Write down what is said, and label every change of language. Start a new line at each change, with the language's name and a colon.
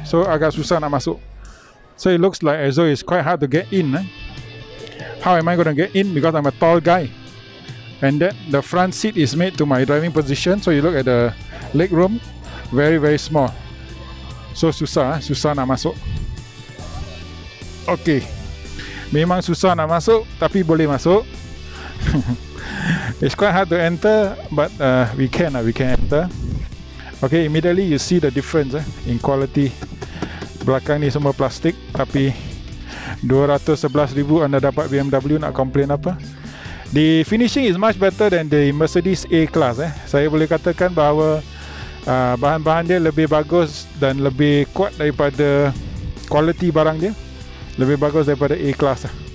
English: So
Malay: agak susah nak masuk.
English: So it looks like as though it's quite hard to get in. Eh? How am I going to get in? Because I'm a tall guy. And that the front seat is made to my driving position. So you look at the leg room, very very small.
Malay: So susah, susah nak masuk. Okay, memang susah nak masuk, tapi boleh masuk.
English: It's quite hard to enter, but we can enter. Okay, immediately you see the difference in quality.
Malay: Belakang ni semua plastik, tapi 211,000 anda dapat BMW, nak complain apa?
English: The finishing is much better than the Mercedes A-Class.
Malay: Eh, saya boleh katakan bahawa bahan-bahan dia lebih bagus dan lebih kuat daripada quality barang dia. Lebih bagus daripada A-Class.